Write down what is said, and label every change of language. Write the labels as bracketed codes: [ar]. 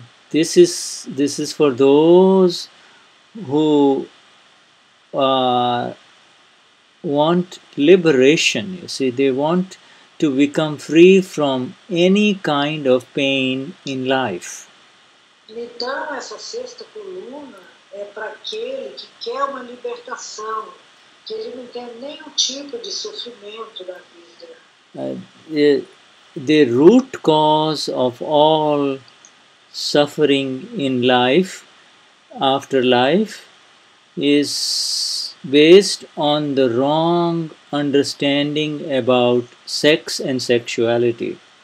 [en] This is for those who want liberation, you see, they want to become free from any kind of pain in life. [pt] Então, essa sexta coluna é para aquele que quer uma libertação, que ele não quer nenhum tipo de sofrimento na vida. [en] The root cause of all suffering in life, after life, is based on the wrong understanding about sex and sexuality.